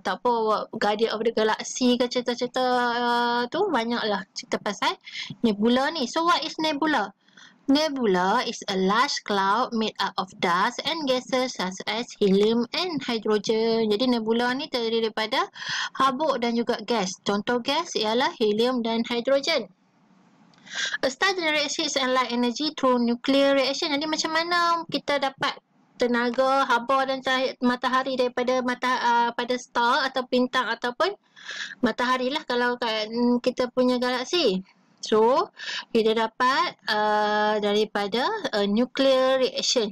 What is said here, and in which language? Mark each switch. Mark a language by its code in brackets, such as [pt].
[ms] Tak apa, awak Guardian of the Galaxy ke cerita-cerita tu, banyaklah cerita pasal nebula ni. [en] So what is nebula? Nebula is a large cloud made up of dust and gases such as helium and hydrogen. [ms] Jadi nebula ni terdiri daripada habuk dan juga gas. Contoh gas ialah helium dan hydrogen. [en] A star generates heat and light energy through nuclear reaction. [ms] Jadi macam mana kita dapat tenaga, habuk dan matahari daripada pada star atau bintang ataupun matahari lah kalau kita punya galaksi. So, kita dapat daripada nuclear reaction.